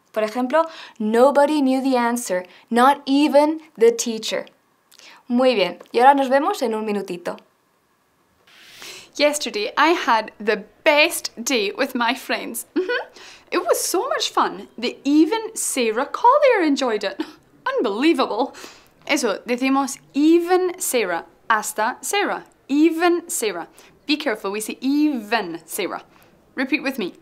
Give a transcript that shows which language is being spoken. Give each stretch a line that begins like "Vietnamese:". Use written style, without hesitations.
English: Por ejemplo, nobody knew the answer, not even the teacher.
Spanish: Muy bien, y ahora nos vemos en un minutito.
English: Yesterday I had the best day with my friends. It was so much fun that even Sarah Collier enjoyed it.
Spanish: Unbelievable. Eso, decimos even Sarah, hasta Sarah.
English: Even Sarah. Be careful, we say even Sarah. Repeat with me.